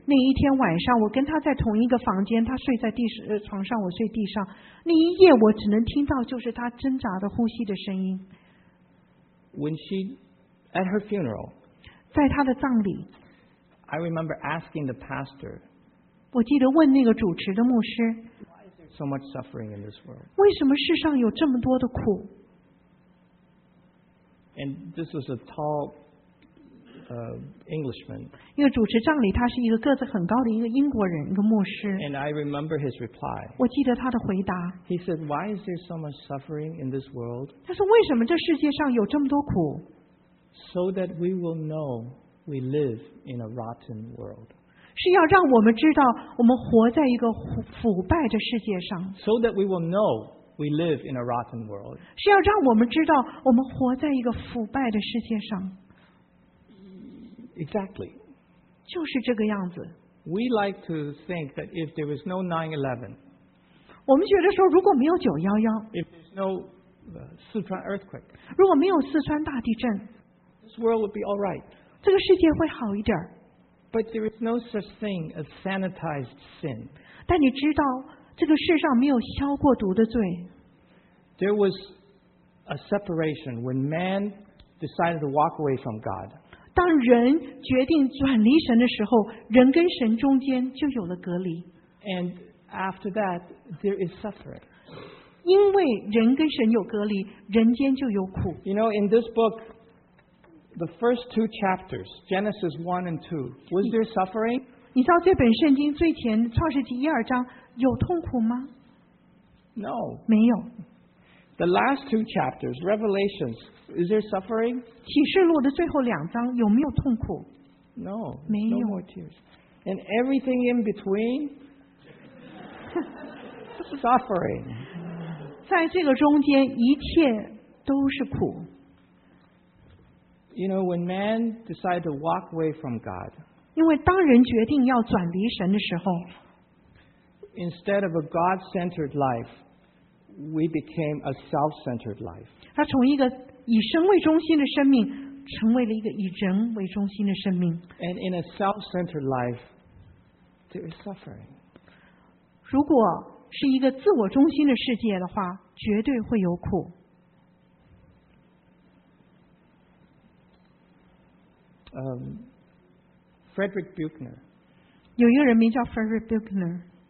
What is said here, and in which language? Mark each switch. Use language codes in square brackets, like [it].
[zh] 那一天晚上，我跟她在同一个房间，她睡在床上，我睡地上。那一夜，我只能听到就是她挣扎的呼吸的声音。 [en] When she at her funeral, [zh] 在她的葬礼 [en] ，I remember asking the pastor. [zh] 我记得问那个主持的牧师 [en] ，Why is there so much suffering in this world? [zh] 为什么世上有这么多的苦？ [en] And this was a tall Englishman. [zh] 因为主持葬礼，他是一个个子很高的一个英国人，一个牧师。 [en] And I remember his reply. [zh] 我记得他的回答。 [en] He said, "Why is there so much suffering in this world?" [zh] 他说为什么这世界上有这么多苦？ [en] So that we will know we live in a rotten world. [zh] 是要让我们知道我们活在一个腐败的世界上。 [en] So that we will know we live in a rotten world. [zh] 是要让我们知道我们活在一个腐败的世界上。 [en] Exactly. [zh] 就是这个样子。 [en] We like to think that if there was no 9/11, [zh] 我们觉得说如果没有911, [en] if there's no Sichuan earthquake, [zh] 如果没有四川大地震, [en] this world would be all right. [zh] 这个世界会好一点。 [en] But there is no such thing as sanitized sin. [zh] 但你知道，这个世上没有消过毒的罪。 [en] There was a separation when man decided to walk away from God. [zh] 当人决定转离神的时候，人跟神中间就有了隔离。 [en] And after that, there is suffering. [zh] 因为人跟神有隔离，人间就有苦。 [en] You know, in this book. The first two chapters, Genesis 1 and 2, was there suffering? [zh] 你知道这本圣经最前创世纪一二章有痛苦吗？ [en] No. [zh] 没有。 [en] The last two chapters, Revelations, is there suffering? [zh] 启示录的最后两章有没有痛苦？ [en] No. [zh] 没有。 [en] No more tears. And everything in between? suffering. [zh] 在这个中间一切都是苦。 [en] You know, when man decided to walk away from God, [zh] 因为当人决定要转离神的时候 [en] instead of a God-centered life, we became a self-centered life. [zh] 他从一个以神为中心的生命成为了一个以人为中心的生命 [en] And in a self-centered life, there is suffering. [zh] 如果是一个自我中心的世界的话绝对会有苦 [en] Frederick Buchner. [zh] 有一个人名叫 Frederick Buchner.